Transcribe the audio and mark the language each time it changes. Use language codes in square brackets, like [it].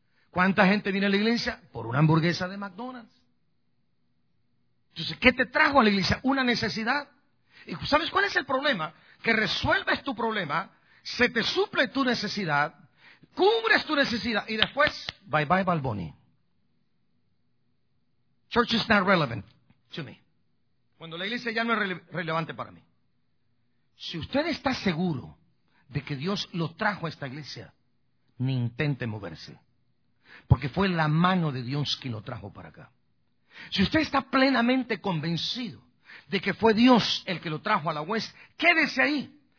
[es] ¿Cuánta gente vino a la iglesia? Por una hamburguesa de McDonald's. Entonces, ¿qué te trajo a la iglesia? Una necesidad. ¿Y sabes cuál es el problema? Que resuelves tu problema, se te suple tu necesidad, cubres tu necesidad y después, [en] bye bye [es] Balboni. [en] Church is not relevant to me. [es] Cuando la iglesia ya no es relevante para mí. Si usted está seguro de que Dios lo trajo a esta iglesia, ni intente moverse. porque fue la mano de Dios quien lo trajo para acá. Si usted está plenamente convencido de que fue Dios el que lo trajo a la West, quédese ahí.